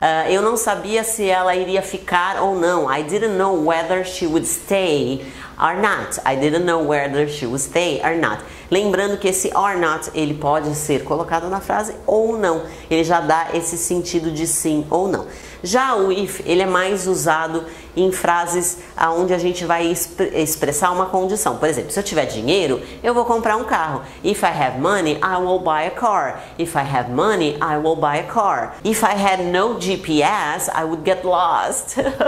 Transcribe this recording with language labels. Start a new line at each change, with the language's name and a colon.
Portuguese: Eu não sabia se ela iria ficar ou não.
English: I didn't know whether she would stay or not. I didn't know whether she would stay or not.
Portuguese: Lembrando que esse or not, ele pode ser colocado na frase ou não. Ele já dá esse sentido de sim ou não. Já o if, ele é mais usado em frases onde a gente vai expressar uma condição. Por exemplo, se eu tiver dinheiro, eu vou comprar um carro.
English: If I have money, I will buy a car. If I have money, I will buy a car. If I had no GPS, I would get lost.